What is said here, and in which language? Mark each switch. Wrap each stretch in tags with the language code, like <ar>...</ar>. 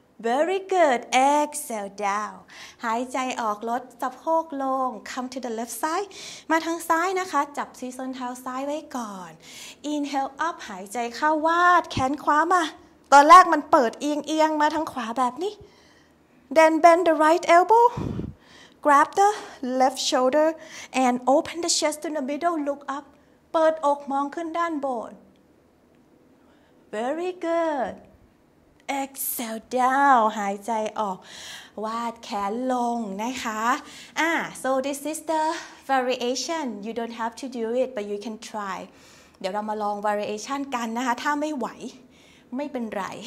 <en>Very good. Exhale down.</en> <th>หายใจออกลดสะโพกลง</th> <en>Come to the left side.</en> <th>มาทางซ้ายนะคะจับที่ส้นเท้าซ้ายไว้ก่อน</th> <en>Inhale up.</en> <th>หายใจเข้าวาดแขนขวามาตอนแรกมันเปิดเอียงๆมาทางขวาแบบนี้</th> <en>Then bend the right elbow. Grab the left shoulder and open the chest in the middle. Look up.</en> <th>เปิดอกมองขึ้นด้านบน</th> <en>Very goodExhale down</en> <th>หายใจออกวาดแขนลงนะคะ</th> <en>so this is the variation you don't have to do it but you can try</en> <th>เดี๋ยวเรามาลอง variation กันนะคะถ้าไม่ไหวไม่เป็นไร</th>